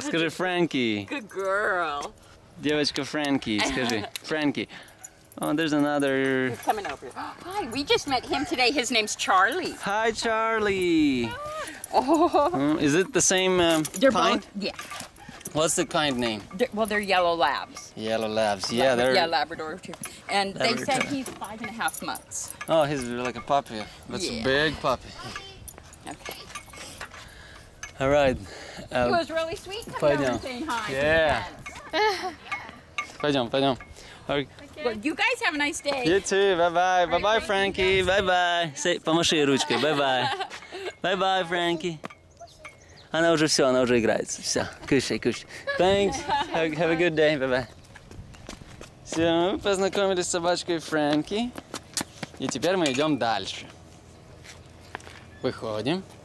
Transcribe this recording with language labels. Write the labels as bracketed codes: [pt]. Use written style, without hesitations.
[ru] Скажи, Frankie. [en] Good girl. [ru] Девочка Frankie, скажи. [en] Frankie. Oh, there's another. He's coming over here. Hi, we just met him today. His name's Charlie. Hi, Charlie. Oh. Is it the same kind? Both, yeah. What's the kind name? They're Yellow Labs. Yellow Labs, yeah. They're yeah, Labrador too. And Labrador. They said he's 5.5 months. Oh, he's like a puppy. That's yeah. A big puppy. Okay. All right. It was really sweet coming over and saying hi. [ru] Yeah. Пойдем, пойдем. [en] Okay. Well, you guys have a nice day. You too. Bye-bye. Bye-bye, right, Frankie. Bye-bye. [ru] Say, помаши ей ручкой. [en] Bye-bye. Bye-bye, Frankie. [ru] Она уже все, она уже играется. Все, кушай, кушай. [en] Thanks. Have a good day. Bye-bye. [ru] Все, мы познакомились с собачкой Фрэнки. И теперь мы идем дальше. Выходим.